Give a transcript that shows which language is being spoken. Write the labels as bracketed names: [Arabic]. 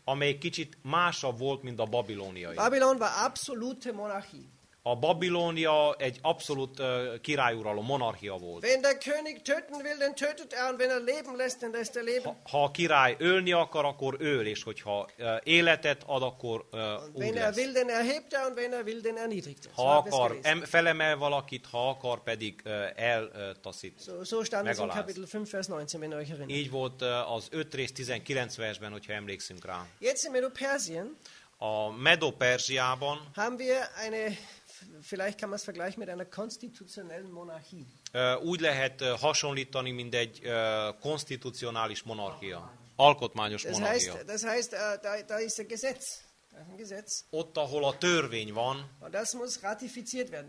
[Hungarian] Amely kicsit másabb volt, mint a babiloniai. [German] Babylon war absolute Monarchie. [Hungarian] A Babilónia egy abszolút királyuralom, monarchia volt. [German] Wenn der König töten will, dann tötet er, und wenn er leben lässt, dann lässt er leben. [Hungarian] Ha a király ölni akar, akkor öl, és hogyha életet ad, akkor úgy lesz. [German] Wenn er will, dann erhebt er, und wenn er will, dann erniedrigt. [Hungarian] Ha akar, felemel valakit, ha akar, pedig eltaszít. [German] So stand es in Kapitel 5, Vers 19, wenn ihr euch erinnert. [Hungarian] Így volt az 5 rész 19 versben, hogyha emlékszünk rá. [German] Jetzt sind wir in Persien. [Hungarian] A Medo-Perzsiában [German] haben wir eine, vielleicht kann man es vergleichen mit einer konstitutionellen Monarchie. [Hungarian] Úgy lehet hasonlítani, mint egy konstitucionális monarchia, alkotmányos monarchia. [German] Das heißt, da ist ein Gesetz. Da ist ein Gesetz. [Hungarian] Ott, ahol a törvény van. [German] Und das muss ratifiziert werden.